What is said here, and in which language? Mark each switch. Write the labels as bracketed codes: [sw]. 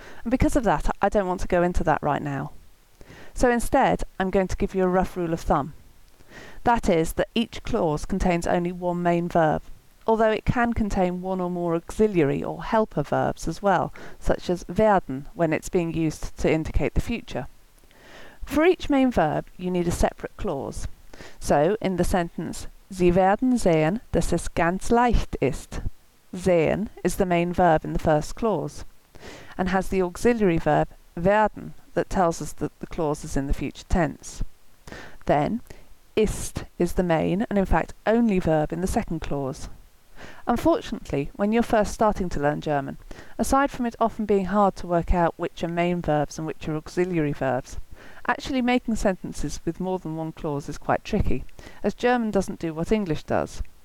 [en] And because of that, I don't want to go into that right now. So instead, I'm going to give you a rough rule of thumb. That is that each clause contains only one main verb, although it can contain one or more auxiliary or helper verbs as well, such as werden, when it's being used to indicate the future. For each main verb, you need a separate clause. So, in the sentence, [de] Sie werden sehen, dass es ganz leicht ist. [en] Sehen is the main verb in the first clause, and has the auxiliary verb werden that tells us that the clause is in the future tense. Then, ist is the main, and in fact only, verb in the second clause. Unfortunately, when you're first starting to learn German, aside from it often being hard to work out which are main verbs and which are auxiliary verbs, actually making sentences with more than one clause is quite tricky, as German doesn't do what English does.